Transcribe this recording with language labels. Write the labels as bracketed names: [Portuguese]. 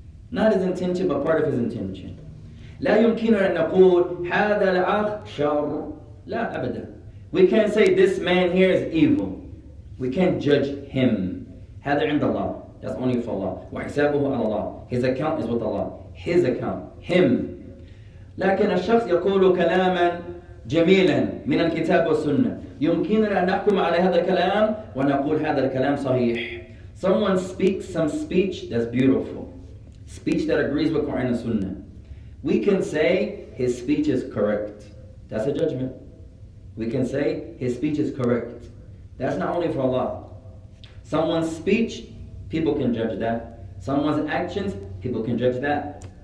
[English] Not his intention, but part of his intention. [Arabic] لا يمكن أن نقول هذا الأخ شر. لا أبدا. [English] We can't say this man here is evil. We can't judge him. [Arabic] هذا عند الله. [English] That's only for Allah. [Arabic] وحسابه على الله. [English] His account is with Allah. His account. Him. [Arabic] لكن الشخص يقول كلاما جميلا من الكتاب والسنة. يمكننا أن نحكم على هذا الكلام ونقول هذا الكلام صحيح. [English] Someone speaks some speech that's beautiful. Speech that agrees with Quran and Sunnah. We can say his speech is correct. That's a judgment. We can say his speech is correct. That's not only for Allah. Someone's speech, people can judge that. Someone's actions, people can judge that.